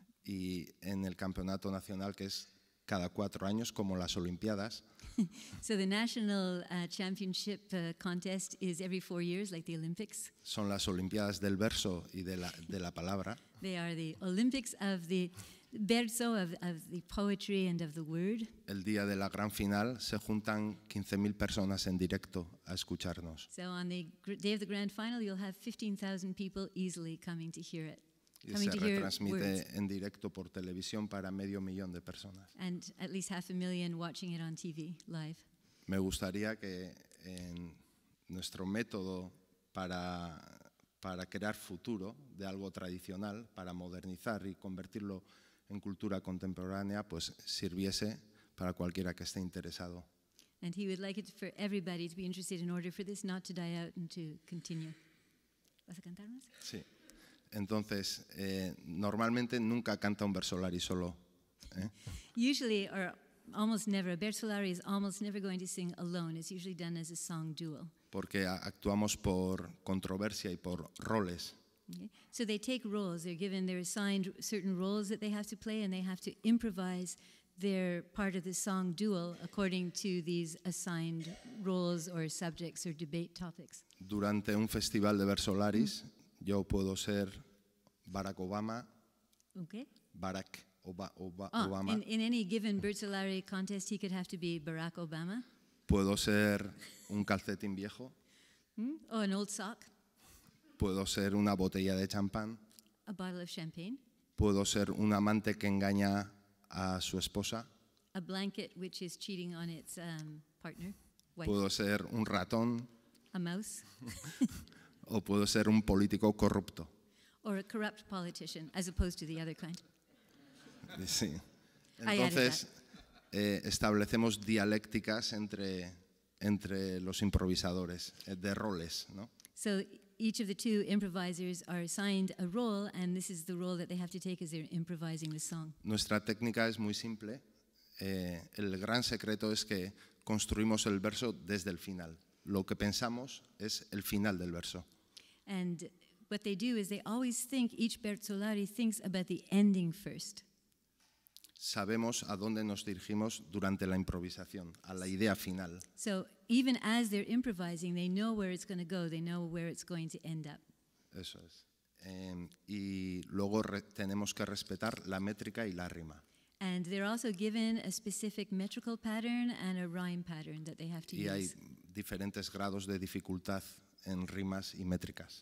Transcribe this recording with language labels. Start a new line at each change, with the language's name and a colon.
Spanish: Y en el campeonato nacional, que es cada cuatro años, como las Olimpiadas.
English: So the national championship contest is every four years, like the Olympics.
Spanish: Son las Olimpiadas del verso y de la palabra.
English: They are the Olympics of the verso, of the poetry and of the word.
Spanish: El día de la gran final se juntan 15,000 personas en directo a escucharnos.
English: So on the day of the grand final, you'll have 15,000 people easily coming to hear it.
Spanish: Y se retransmite en directo por televisión para medio millón de personas.
English: And at least half a million watching it on TV live.
Spanish: Me gustaría que en nuestro método para crear futuro de algo tradicional, para modernizar y convertirlo en cultura contemporánea, pues sirviese para cualquiera que esté interesado.
English: And he would like it for everybody to be interested in order for this not to die out and to continue.
Spanish: ¿Vas a cantar más? Sí. Entonces, normalmente nunca canta un bertolari solo.
English: Usually, or almost never, a bertolari is almost never going to sing alone. It's usually done as a song duel.
Spanish: Porque actuamos por controversia y por roles.
English: Okay. So they take roles. They're given, they're assigned certain roles that they have to play, and they have to improvise their part of the song duel according to these assigned roles or subjects or debate topics.
Spanish: Durante un festival de bertolaris, yo puedo ser Barack Obama.
English: Okay. Barack Obama. In any given bertolari contest, he could have to be Barack Obama.
Spanish: Puedo ser un calcetín viejo.
English: Oh, an old sock.
Spanish: Puedo ser una botella de champán.
English: A bottle of champagne.
Spanish: Puedo ser un amante que engaña a su esposa.
English: A blanket which is cheating on its partner. Wife.
Spanish: Puedo ser un ratón.
English: A mouse.
Spanish: O puedo ser un político corrupto.
English: Or a corrupt politician, as opposed to the other kind.
Spanish: Sí. Entonces, establecemos dialécticas entre los improvisadores, de roles, ¿no?
English: So each of the two improvisers are assigned a role, and this is the role that they have to take as they're improvising the song.
Spanish: Nuestra técnica es muy simple. El gran secreto es que construimos el verso desde el final. Lo que pensamos es el final del verso.
English: And what they do is they always think, each bertolari thinks about the ending first.
Spanish: Sabemos a dónde nos dirigimos durante la improvisación, a la idea final.
English: So even as they're improvising, they know where it's going to go, they know where it's going to end up.
Spanish: Eso es. Y luego tenemos que respetar la métrica y la rima.
English: And they're also given a specific metrical pattern and a rhyme pattern that they have to use.
Spanish: Y hay diferentes grados de dificultad en rimas y métricas.